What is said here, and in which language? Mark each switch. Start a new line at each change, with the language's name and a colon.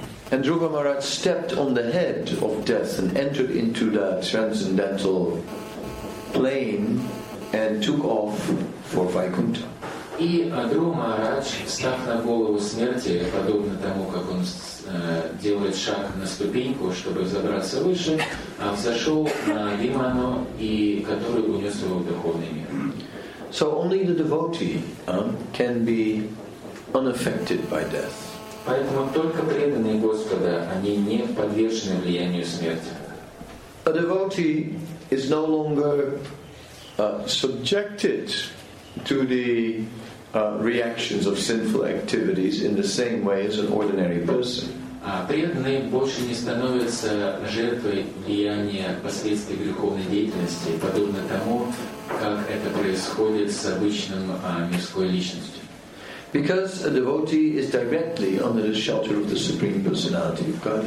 English: And Dhruva Maharaj stepped on the head of death and entered into the transcendental plane and took off for Vaikuntha.
Russian: И Адру Махарадж, став на голову смерти, подобно тому, как он делает шаг на ступеньку, чтобы забраться выше, взошел на Виману, и который унес его в духовный мир.
English: So only the devotee can be unaffected by death.
Russian: Поэтому только преданные Господа, они не подвержены влиянию смерти.
English: A devotee is no longer subjected to the reactions of sinful activities in the same way as an ordinary person.
Russian: Преданные больше не становятся жертвой влияния последствий греховной деятельности, подобно тому, как это происходит с обычным мирской личностью.
English: Because a devotee is directly under the shelter of the Supreme Personality of